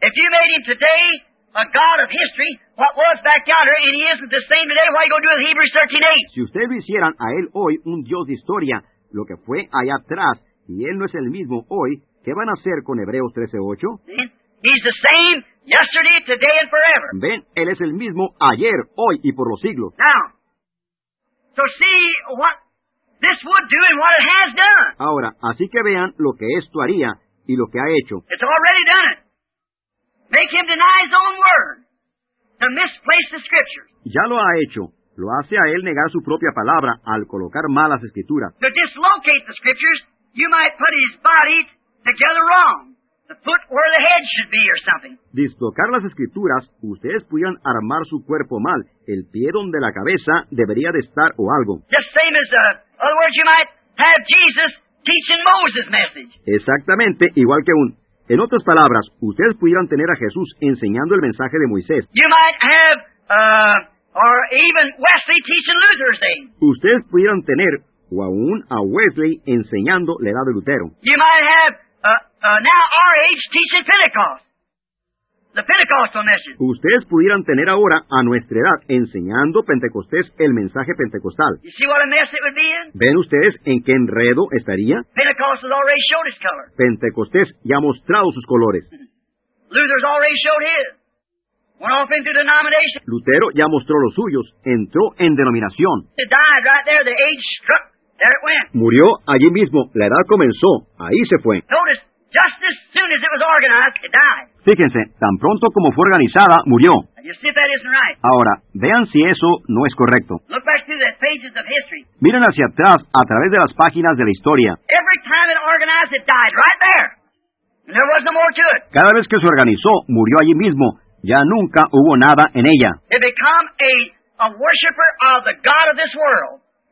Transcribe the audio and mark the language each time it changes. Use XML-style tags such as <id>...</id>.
<en>If you made him today a God of history, what was back yonder, and he isn't the same today, what are you going to do with Hebrews 13:8?</en> <es>Si ustedes lo hicieran a él hoy un Dios de historia, lo que fue allá atrás, y él no es el mismo hoy, ¿qué van a hacer con Hebreos 13:8?</es> <en>He's the same yesterday, today, and forever.</en> <es>Ven, él es el mismo ayer, hoy y por los siglos.</es> <en>Now, so see what this would do and what it has done.</en> <es>Ahora, así que vean lo que esto haría y lo que ha hecho.</es> <en>It's already done it. Make him deny his own word to misplace the scriptures.</en> <es>Ya lo ha hecho. Lo hace a él negar su propia palabra al colocar malas escrituras.</es> <en>To dislocate the scriptures, you might put his body together wrong. The foot where the head should be or something.</en> <es>Dislocar las escrituras, ustedes pudieran armar su cuerpo mal. El pie donde la cabeza debería de estar o algo.</es> <en>Just same as, other words, you might have Jesus teaching Moses' message.</en> <es>Exactamente, igual que un... En otras palabras, ustedes pudieran tener a Jesús enseñando el mensaje de Moisés.</es> <en>You might have, or even Wesley teaching Luther's thing.</en> <es>Ustedes pudieran tener, o aún a Wesley enseñando la edad de Lutero.</es> <en>You might have... now our age teaching Pentecost. The Pentecostal message.</en> <es>Ustedes pudieran tener ahora a nuestra edad enseñando Pentecostés el mensaje pentecostal.</es> <en>You see what a mess it would be in?</en> <es>¿Ven ustedes en qué enredo estaría?</es> <en>Pentecost has already showed his color.</en> <es>Pentecostés ya ha mostrado sus colores.</es> <en>Luther's already showed his. Went off into denomination.</en> <es>Lutero ya mostró los suyos. Entró en denominación.</es> <en>He died right there. The age struck. There it went.</en> <es>Murió allí mismo. La edad comenzó. Ahí se fue.</es> <en>Notice, just as soon as it was organized, it died.</en> <es>Fíjense, tan pronto como fue organizada, murió.</es> <en>You see if that isn't right.</en> <es>Ahora, vean si eso no es correcto.</es> <en>Look back through the pages of history.</en> <es>Miren hacia atrás, a través de las páginas de la historia.</es> <en>Every time it organized, it died right there. And there was no more to it.</en> <es>Cada vez que se organizó, murió allí mismo. Ya nunca hubo nada en ella.</es> <en>It became a worshiper of the God of this world.</en>